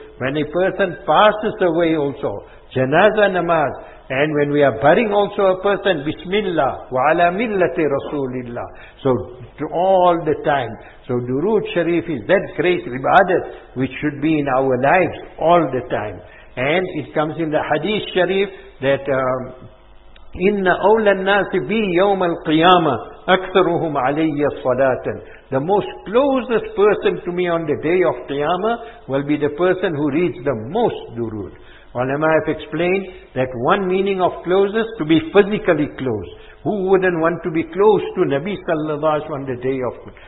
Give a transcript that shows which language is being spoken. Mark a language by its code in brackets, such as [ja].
[en] When a person passes away also, Janaza Namaz, and when we are burying also a person, Bismillah wa ala millati Rasulillah. So to all the time. So Durood Sharif is that great ibadat which should be in our lives all the time. And it comes in the Hadith Sharif that [ar] إِنَّ أَوْلَى النَّاسِ بِي يَوْمَ الْقِيَامَةِ أَكْثَرُهُمْ عَلَيَّ صَلَاةً. [en] The most closest person to me on the day of Qiyamah will be the person who reads the most durood. Ulama have explained that one meaning of closest, to be physically close. Who wouldn't want to be close to Nabi sallallahu alaihi wasallam on the day of Qiyamah?